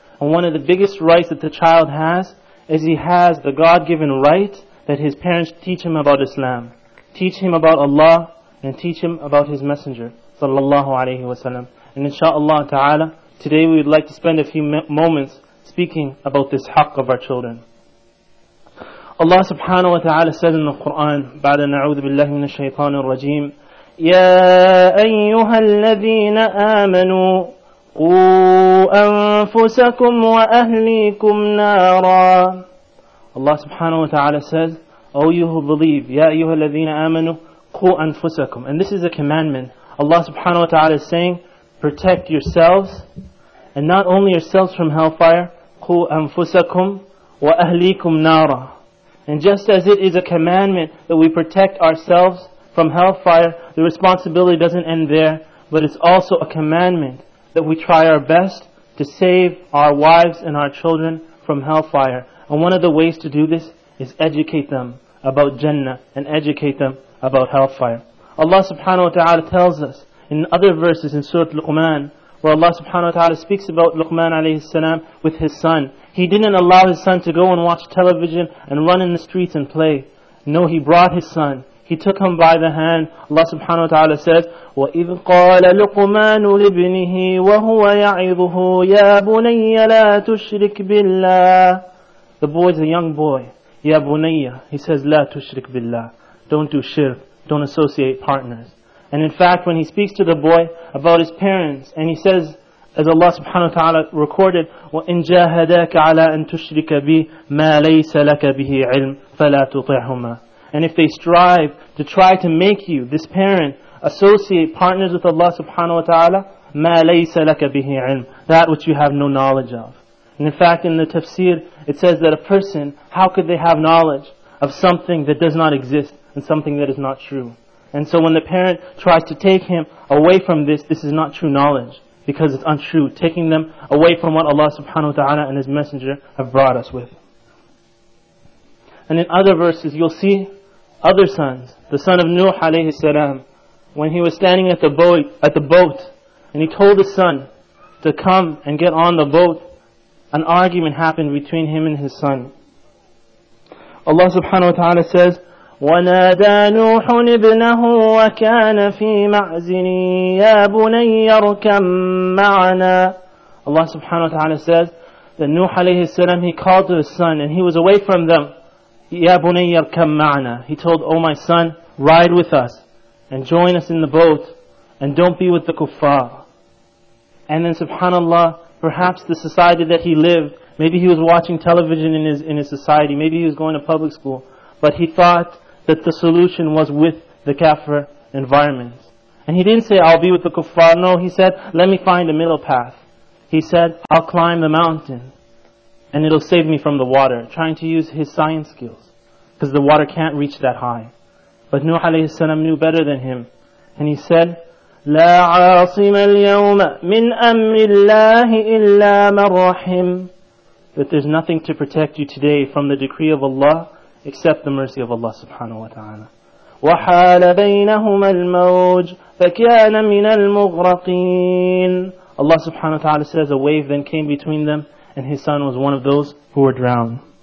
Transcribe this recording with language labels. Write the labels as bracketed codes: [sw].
[en] And one of the biggest rights that the child has is he has the God-given right that his parents teach him about Islam, teach him about Allah, and teach him about his messenger, sallallahu alayhi wa sallam. And inshaAllah ta'ala, today we would like to spend a few moments speaking about this haqq of our children. Allah subhanahu wa ta'ala said in the Qur'an, [ar] بعد نعوذ بالله من الشيطان الرجيم, يَا أَيُّهَا الَّذِينَ آمَنُوا قُوا أَنفُسَكُمْ وَأَهْلِيكُمْ نَارًا. [en] Allah subhanahu wa ta'ala says, O you who believe, [ar] يَا أَيُّهَا الَّذِينَ آمَنُوا قُوا أَنفُسَكُمْ. [en] And this is a commandment. Allah subhanahu wa ta'ala is saying, protect yourselves, and not only yourselves from hellfire, [ar] قُوا أَنفُسَكُمْ وَأَهْلِيكُمْ نَارًا. [en] And just as it is a commandment that we protect ourselves from hellfire, the responsibility doesn't end there, but it's also a commandment that we try our best to save our wives and our children from hellfire. And one of the ways to do this is educate them about Jannah and educate them about hellfire. Allah subhanahu wa ta'ala tells us in other verses in Surah Luqman, where Allah subhanahu wa ta'ala speaks about Luqman alayhi salam with his son. He didn't allow his son to go and watch television and run in the streets and play. No, he brought his son. He took him by the hand. Allah subhanahu wa ta'ala says, [ar] وَإِذْ قَالَ لُقْمَانُ لِبْنِهِ وَهُوَ يَعِظُهُ يَا بُنَيَّ لَا تُشْرِكْ بِاللَّهِ. The boy is a young boy. يَا بُنَيَّ. [en] He says, [ar] لَا تُشْرِكْ بِاللَّهِ. [en] Don't do shirk. Don't associate partners. And in fact, when he speaks to the boy about his parents, and he says, as Allah subhanahu wa ta'ala recorded, [ar] وَإِنْ جَاهَدَاكَ عَلَىٰ أَن تُشْرِكَ بِي مَا لَيْسَ لَكَ بِهِ عِلْمٌ فَلَا تُطِعْهُمَا. [en] And if they strive to try to make you, this parent, associate partners with Allah subhanahu wa ta'ala, [ar] مَا لَيْسَ لَكَ بِهِ عِلْمٌ, [en] that which you have no knowledge of. And in fact, in the tafsir, it says that a person, how could they have knowledge of something that does not exist and something that is not true? And so when the parent tries to take him away from this, this is not true knowledge because it's untrue, taking them away from what Allah subhanahu wa ta'ala and His Messenger have brought us with. And in other verses, you'll see other sons. The son of Nuh alayhi salam, when he was standing at the boat, and he told his son to come and get on the boat, an argument happened between him and his son. Allah subhanahu wa ta'ala says, [ar] وَنَادَى نُوحٌ ابْنَهُ وَكَانَ فِي مَعْزِنِي يَا بُنَيَّ ارْكَمْ مَعَنَا. [en] Allah subhanahu wa ta'ala says that Nuh alayhi salam, he called to his son and he was away from them. [ar] يَا بُنَيَّ ارْكَمْ مَعَنَا. [en] He told, O my son, ride with us and join us in the boat and don't be with the kuffar. And then subhanallah, perhaps the society that he lived, maybe he was watching television in his society, maybe he was going to public school, but he thought that the solution was with the kafir environment. And he didn't say, I'll be with the kuffar. No, he said, let me find a middle path. He said, I'll climb the mountain and it'll save me from the water, trying to use his science skills, because the water can't reach that high. But Nuh alayhi salam knew better than him. And he said, [ar] لا عاصم اليوم من أمر الله إلا من رحم. [en] That there's nothing to protect you today from the decree of Allah except the mercy of Allah subhanahu wa ta'ala. [ar] وَحَالَ بَيْنَهُمَا الْمَوْجُ فَكَانَ مِنَ الْمُغْرَقِينَ. [en] Allah subhanahu wa ta'ala says a wave then came between them and his son was one of those who were drowned.